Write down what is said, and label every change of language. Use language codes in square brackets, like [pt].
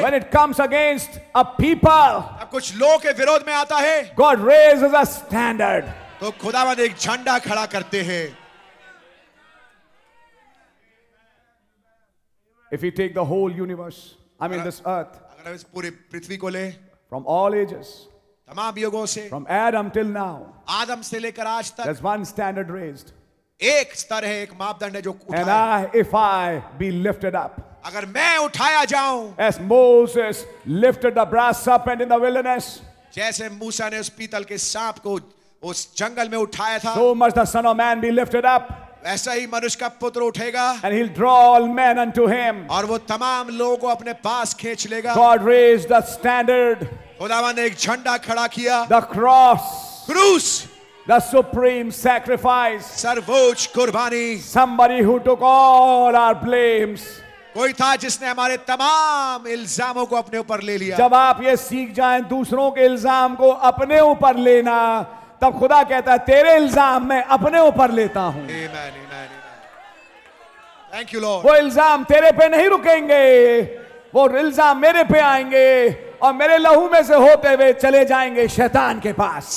[en] When it comes against a people, [hi] जब कुछ लोग के विरोध में आता है। [en] God raises a standard. [hi] तो खुदावंद एक झंडा खड़ा करते हैं। [en] If you take the whole universe, I mean this earth, [hi] अगर इस पूरे पृथ्वी को ले, [en] from all ages. [hi] तमाम युगों से, [en] From Adam till now, [hi] आदम से लेकर आज तक, [en] There's one standard raised, [hi] एक स्तर है, एक मापदंड है जो उठा है, [en] And if I be lifted up, [hi] अगर मैं उठाया जाऊं, [en] As Moses lifted the brass serpent in the wilderness, [hi] जैसे मूसा ने उस पीतल के सांप को उस जंगल में उठाया था, [en] So must the Son of Man be lifted up, [hi] ऐसा ही मनुष्य का पुत्र उठेगा, [en] And he'll draw all men unto him, [hi] और वो तमाम लोगों को अपने पास खींच लेगा, [en] God raised the standard. [hi] खुदावन एक झंडा खड़ा किया, [en] the cross, [hi] क्रूस, [en] the supreme sacrifice, [hi] सर्वोच्च कुर्बानी, [en] Somebody who took all our blames, [hi] कोई था जिसने हमारे तमाम इल्जामों को अपने ऊपर ले लिया। जब आप ये सीख जाएं दूसरों के इल्जाम को अपने ऊपर लेना, तब खुदा कहता है तेरे इल्जाम मैं अपने ऊपर लेता हूं। आमेन, आमेन, आमेन। [en] Thank you lord. [hi] वो इल्जाम तेरे पे नहीं रुकेंगे, वो इल्जाम मेरे पे आएंगे और मेरे लहू में से होते हुए चले जाएंगे शैतान के पास।